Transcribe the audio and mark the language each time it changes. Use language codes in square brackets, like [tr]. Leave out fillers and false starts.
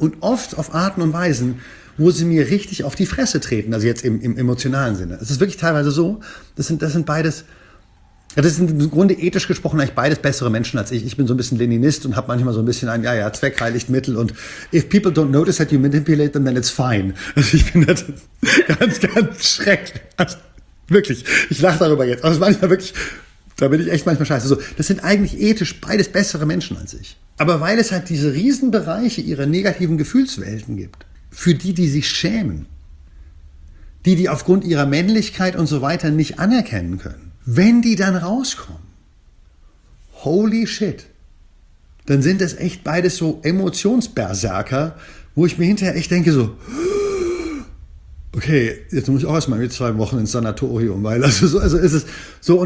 [de] Und oft auf Arten und Weisen, wo sie mir richtig auf die Fresse treten, also jetzt im emotionalen Sinne. Es ist wirklich teilweise so, das sind beides. Ja, das sind im Grunde ethisch gesprochen eigentlich beides bessere Menschen als ich. Ich bin so ein bisschen Leninist und habe manchmal so ein bisschen ein, ja, Zweck heiligt Mittel. Und [en] if people don't notice that you manipulate them, then it's fine. [de] Also ich bin das ganz, ganz schrecklich. Also wirklich, ich lache darüber jetzt. Aber manchmal wirklich, da bin ich echt manchmal scheiße. So, das sind eigentlich ethisch beides bessere Menschen als ich. Aber weil es halt diese Riesenbereiche ihrer negativen Gefühlswelten gibt, für die sich schämen, die aufgrund ihrer Männlichkeit und so weiter nicht anerkennen können, wenn die dann rauskommen, [en] holy shit, [de] dann sind das echt beides so Emotionsberserker, wo ich mir hinterher echt denke so, okay, jetzt muss ich auch erstmal mit 2 Wochen ins Sanatorium, weil also ist es so.